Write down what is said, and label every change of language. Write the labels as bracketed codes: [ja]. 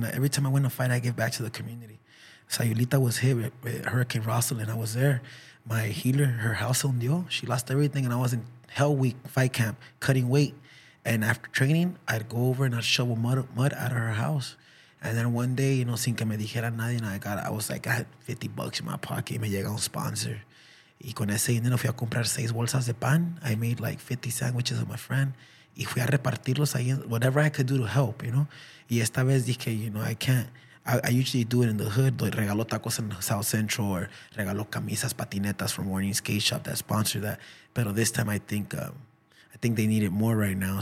[en] Every time I win a fight, I give back to the community. Sayulita was hit with Hurricane Rosalyn. I was there. My healer, her house hundió. She lost everything, and I was in Hell Week fight camp cutting weight. And after training, I'd go over and I'd shovel mud out of her house. And then one day, you know, [es] sin que me dijera nadie, [en] I had $50 in my pocket. [es] Me llega un sponsor. Y con ese dinero fui a comprar 6 bolsas de pan. [en] I made like 50 sandwiches with my friend. [es] Y fui a repartirlos ahí, [en] whatever I could do to help, you know? [es] Y esta vez dije, [en] you know, I can't. I usually do it in the hood. Like, [es] regalo tacos [en] in South Central or [es] regalo camisas, patinetas [en] from Morning Skate Shop that sponsor that. Pero this time I think they need it more right now.